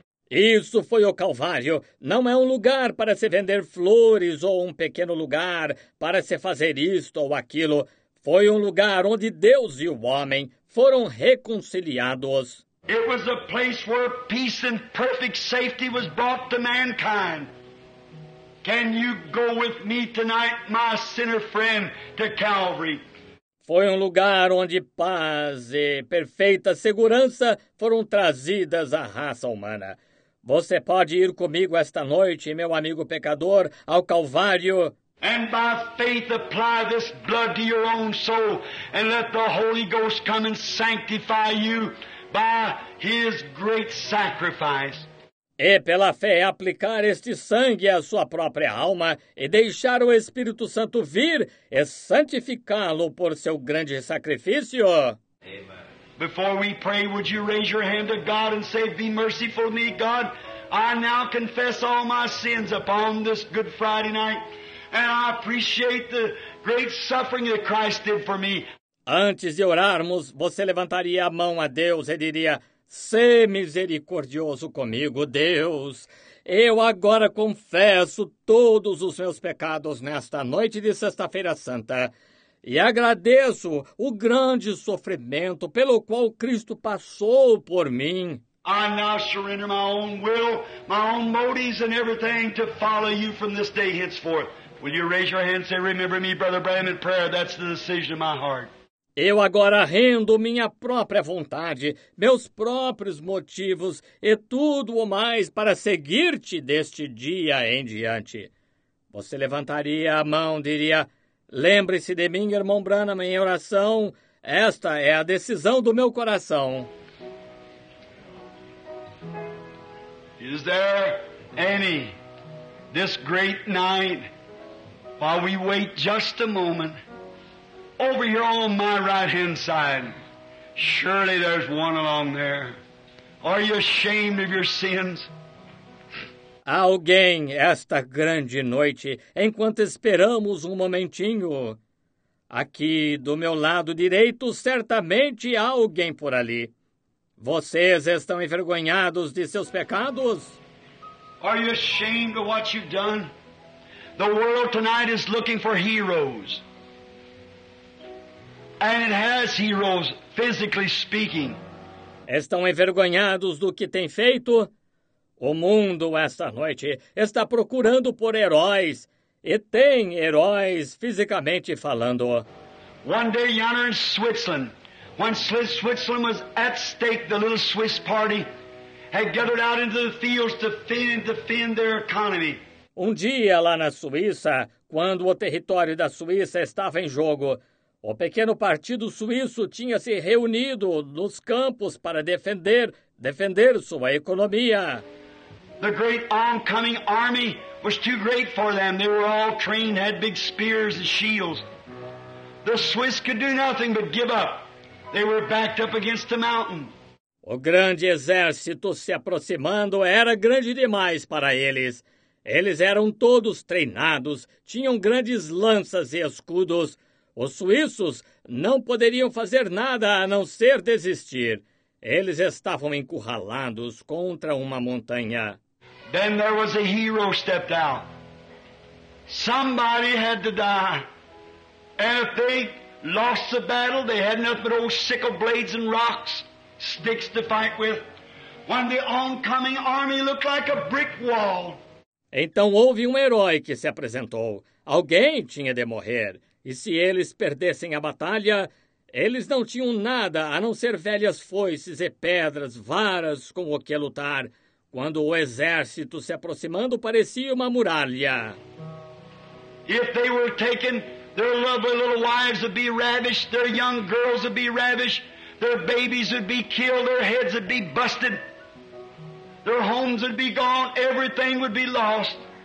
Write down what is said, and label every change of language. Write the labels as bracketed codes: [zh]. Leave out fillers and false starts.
[pt] Isso foi o Calvário. Não é um lugar para se vender flores ou um pequeno lugar para se fazer isto ou aquilo. Foi um lugar onde Deus e o homem foram reconciliados. [en] It was a place where peace and perfect safety was brought to mankind. Can you go with me tonight, my sinner friend, to Calvary? [pt] Foi um lugar onde paz e perfeita segurança foram trazidas à raça humana. Você pode ir comigo esta noite, meu amigo pecador, ao Calvário. [en] And by faith apply this blood to your own soul and let the Holy Ghost come and sanctify you by His great sacrifice. [pt] E pela fé aplicar este sangue à sua própria alma e deixar o Espírito Santo vir e santificá-lo por seu grande sacrifício. [en] Before we pray, would you raise your hand to God and say, be merciful to me, God. I now confess all my sins upon this Good Friday night. And I appreciate the great suffering that Christ did for me. [pt] Antes de orarmos, você levantaria a mão a Deus e diria, Sê misericordioso comigo, Deus. Eu agora confesso todos os meus pecados nesta noite de Sexta-feira Santa e agradeço o grande sofrimento pelo qual Cristo passou por mim. [en] I now surrender my own will, my own motives and everything to follow you from this day henceforth. Will you raise your hand and say, remember me, Brother Branham, in prayer? That's the decision of my heart. [pt] Eu agora rendo minha própria vontade, meus próprios motivos e tudo o mais para seguir-te deste dia em diante. Você levantaria a mão e diria, lembre-se de mim, irmão Branham, em oração. Esta é a decisão do meu coração. [en] Is there any this great night while we wait just a moment? Over here on my right hand side, surely there's one along there. Are you ashamed of your sins? [pt] Alguém esta grande noite, enquanto esperamos um momentinho. Aqui do meu lado direito, certamente há alguém por ali. Vocês estão envergonhados de seus pecados? [en] Are you ashamed of what you've done? The world tonight is looking for heroes. And it has heroes, physically speaking. [pt] Estão envergonhados do que têm feito? O mundo, esta noite, está procurando por heróis. E tem heróis, fisicamente falando. [en] One day, yonder in Switzerland, when Switzerland was at stake, the little Swiss party had gathered out into the fields to defend their economy. [pt] Um dia, lá na Suíça, quando o território da Suíça estava em jogo, o pequeno partido suíço tinha se reunido nos campos para defender sua economia. [en] The great oncoming army was too great for them. They were all trained, had big spears and shields. The Swiss could do nothing but give up. They were backed up against the mountain. [pt] O grande exército se aproximando era grande demais para eles. Eles eram todos treinados, tinham grandes lanças e escudos. Os suíços não poderiam fazer nada a não ser desistir. Eles estavam encurralados contra uma montanha. [en] Then there was a hero stepped out. Somebody had to die. And if they lost the battle, they had nothing but old sickle blades and rocks, sticks to fight with. When the oncoming army looked like a brick wall. [pt] Então houve um herói que se apresentou. Alguém tinha de morrer. E se eles perdessem a batalha, eles não tinham nada a não ser velhas foices e pedras, varas com o que lutar, quando o exército se aproximando parecia uma muralha. [en] If they were taken, their lovely little wives would be ravished, their young girls would be ravished, their babies would be killed, their heads would be busted, their homes would be gone, everything would be lost.